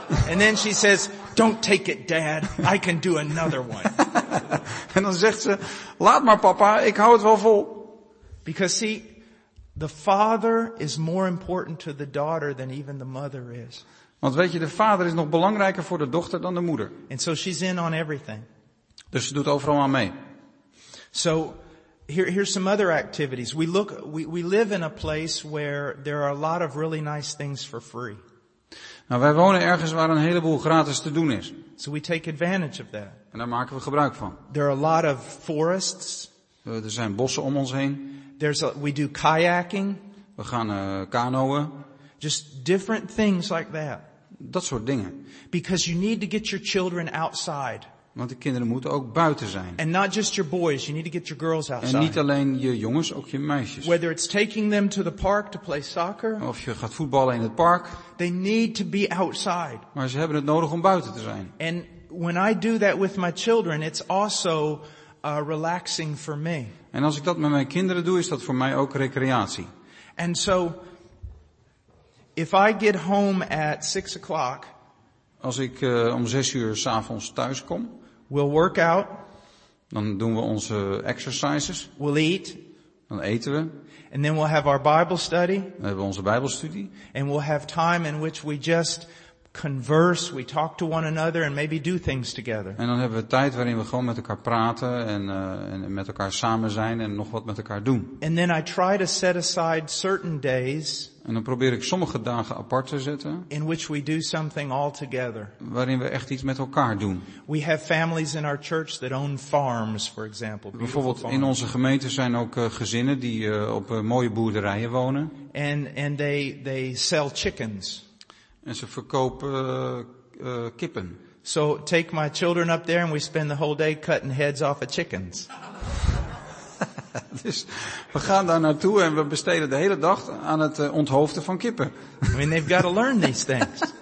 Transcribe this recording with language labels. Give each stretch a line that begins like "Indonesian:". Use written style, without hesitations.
English: And then she says, "Don't take it, Dad. I can do another one."
Dutch: En dan zegt ze, "Laat maar, papa. Ik hou het wel vol."
English: Because see, the father is more important to the daughter than even the mother is.
Dutch: Want weet je, de vader is nog belangrijker voor de dochter dan de moeder.
English: And so she's in on everything.
Dutch: Dus ze doet overal aan mee.
English: So here's some other activities. We live in a place where there are a lot of really nice things for free.
Dutch: Nou, wij wonen ergens waar een heleboel gratis te doen is.
English: So we take advantage of that.
Dutch: En daar maken we gebruik van.
English: There are a lot of forests.
Dutch: Er zijn bossen om ons heen.
English: We do kayaking.
Dutch: We gaan kanoën.
English: Just different things like that.
Dutch: Dat soort dingen.
English: Because you need to get your children outside.
Dutch: Want de kinderen moeten ook buiten zijn.
English: And not just your boys, you need to get your girls outside.
Dutch: En niet alleen je jongens, ook je meisjes.
English: Whether it's taking them to the park to play soccer.
Dutch: Of je gaat voetballen in het park.
English: They need to be outside.
Dutch: Maar ze hebben het nodig om buiten te zijn.
English: And when I do that with my children, it's also relaxing for me.
Dutch: En als ik dat met mijn kinderen doe, is dat voor mij ook recreatie.
English: And so if I get home at 6 o'clock,
Dutch: als ik om 6 uur 's avonds thuis kom,
English: we'll work out,
Dutch: dan doen we onze exercises,
English: we'll eat,
Dutch: dan eten we,
English: and then we'll have our Bible study,
Dutch: dan hebben we onze Bijbelstudie,
English: and we'll have time in which we just converse, we talk to one another and maybe do things together.
Dutch: En dan hebben we tijd waarin we gewoon met elkaar praten en met elkaar samen zijn en nog wat met elkaar doen.
English: And then I try to set aside certain days.
Dutch: En dan probeer ik sommige dagen apart te zetten.
English: In which we do something all together.
Dutch: Waarin we echt iets met elkaar doen.
English: We have families in our church that own farms, for example.
Dutch: Bijvoorbeeld in onze gemeente zijn ook gezinnen die op mooie boerderijen wonen.
English: And they sell chickens.
Dutch: En ze verkopen kippen.
English: So take my children up there and we spend the whole day cutting heads off of chickens.
Dutch: Dus we gaan daar naartoe en we besteden de hele dag aan het onthoofden van kippen.
English: I mean, they've got to learn these things.